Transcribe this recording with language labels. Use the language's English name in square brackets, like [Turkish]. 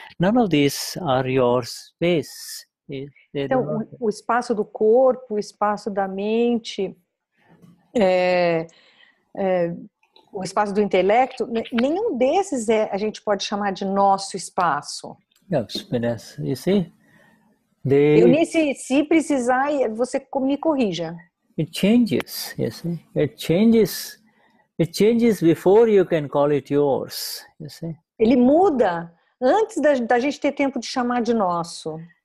[English] None of these are your space. [Portuguese] Então, o espaço do corpo, o espaço da mente, o espaço do intelecto, nenhum desses a gente pode chamar de nosso espaço. [English] Yes, you see? [Portuguese] Eunice, se precisar, você me corrija. [English] It changes, you see? It changes. It changes before you can call it yours, you see? [Portuguese] Ele muda antes da gente ter tempo de chamar de nosso.